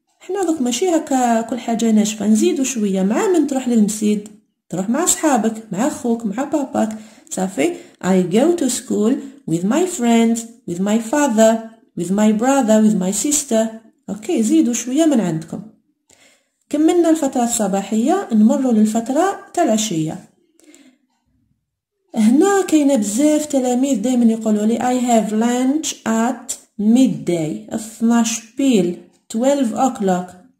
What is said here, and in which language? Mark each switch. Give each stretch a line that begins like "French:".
Arabic: حنا دوك ماشي هكا كل حاجة ناشفة، نزيدو شوية. مع من تروح للمسيد؟ تروح مع صحابك، مع أخوك، مع باباك. صافي.
English: I go to school with my friends, with my father, with my brother, with my sister.
Arabic: اوكي، زيدوا شويه من عندكم. كملنا الفتره الصباحيه، نمروا للفتره تاع العشيه. هنا كاينه بزاف تلاميذ دائما يقولوا لي
English: I have lunch at midday.
Arabic: 12 بيل
English: 12 o'clock.